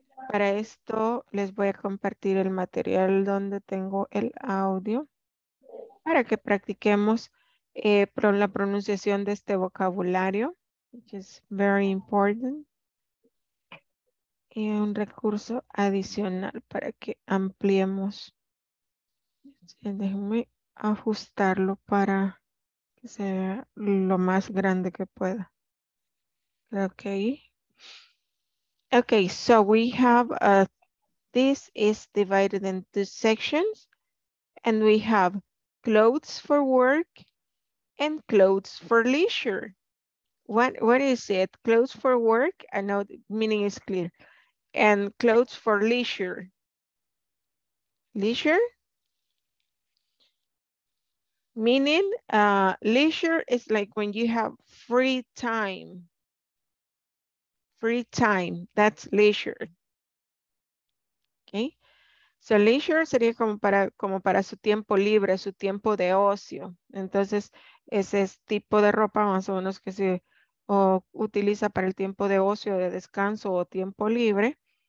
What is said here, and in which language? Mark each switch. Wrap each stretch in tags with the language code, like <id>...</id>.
<es>Para esto les voy a compartir el material donde tengo el audio para que practiquemos la pronunciación de este vocabulario,</es> <en>which is very important,</en> <es>y un recurso adicional para que ampliemos. Déjenme ajustarlo para que sea lo más grande que pueda.</es> <en>Okay, so we have this is divided into sections, and we have clothes for work and clothes for leisure. What is it? Clothes for work, I know the meaning is clear. And clothes for leisure. Leisure? Meaning leisure is like when you have free time. Free time, that's leisure.</en> <es>Okay, so leisure sería como para su tiempo libre, su tiempo de ocio. Entonces, ese tipo de ropa más o menos que se utiliza para el tiempo de ocio, de descanso o tiempo libre.</es>